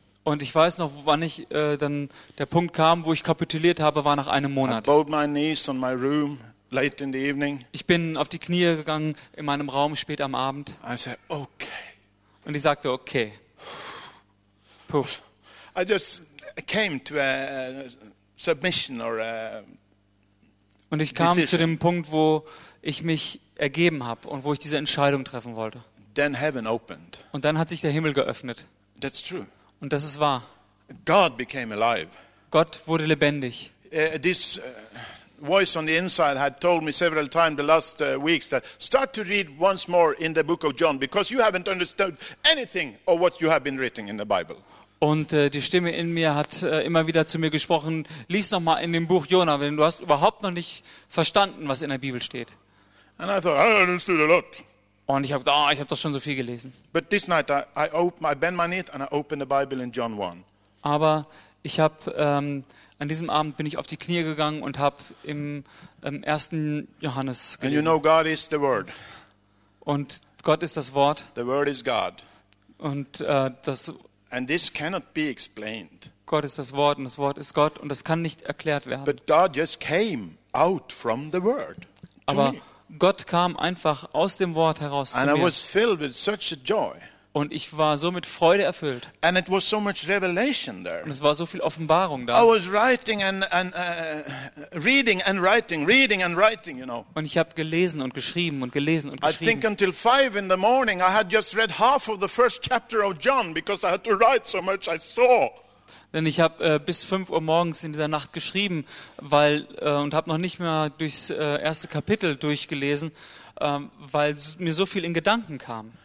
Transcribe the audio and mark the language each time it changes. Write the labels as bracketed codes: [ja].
[de] Und ich weiß noch, wann ich dann der Punkt kam, wo ich kapituliert habe, war nach einem Monat. [en] I bowed my knees on my room late in the evening. [de] Ich bin auf die Knie gegangen in meinem Raum spät am Abend. [en] I said, okay. [de] Und ich sagte, okay. [en] Puh. I just came to a submission or a [de] und ich kam decision. Zu dem Punkt, wo ich mich ergeben habe und wo ich diese Entscheidung treffen wollte. [en] Then heaven opened. [de] Und dann hat sich der Himmel geöffnet. [en] That's true. [de] Und das ist wahr. [en] God became alive. [de] Gott wurde lebendig. [en] This voice on the inside had told me several times the last weeks that start to read once more in the book of John because you haven't understood anything of what you have been reading in the Bible. [de] Und die Stimme in mir hat immer wieder zu mir gesprochen, lies noch mal in dem Buch Jona, denn du hast überhaupt noch nicht verstanden, was in der Bibel steht. [en] And I thought, I understood a lot. [de] Und ich habe ich habe das schon so viel gelesen. [en] But this night I bend my knees and I open the Bible in John 1. [de] Aber ich habe an diesem Abend bin ich auf die Knie gegangen und habe im ersten Johannes gelesen. [en] And you know God is the word. [de] Und Gott ist das Wort. [en] The word is God. [de] Und das [en] and this cannot be explained. [de] Gott ist das Wort und das Wort ist Gott und das kann nicht erklärt werden. [en] But God just came out from the word. [de] Aber Gott kam einfach aus dem Wort heraus [en] and [de] zu [en] I [de] mir. [en] And I was filled with such a joy. [de] Und ich war so mit Freude erfüllt. [en] And it was so much revelation there. [de] Und es war so viel Offenbarung da. [en] I was writing and reading and writing, reading and writing, you know. [de] Und ich habe gelesen und geschrieben und gelesen und geschrieben. [en] I think until 5 in the morning I had just read half of the first chapter of John because I had to write so much I saw. [de] Denn ich habe bis 5 Uhr morgens in dieser Nacht geschrieben, weil und habe noch nicht mehr durchs erste Kapitel durchgelesen, weil mir so viel in Gedanken kam.